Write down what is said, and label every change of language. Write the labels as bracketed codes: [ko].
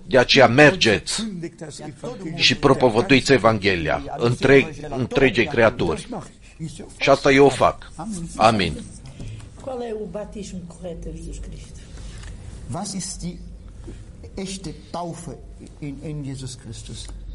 [ro] De aceea mergeți și propovăduiți Evanghelia întregei creaturi. Și asta eu o fac. Amin. [pt] Qual e o batismo correto de Jesus Cristo? [de] Was ist die echte Taufe in Jesus Christus?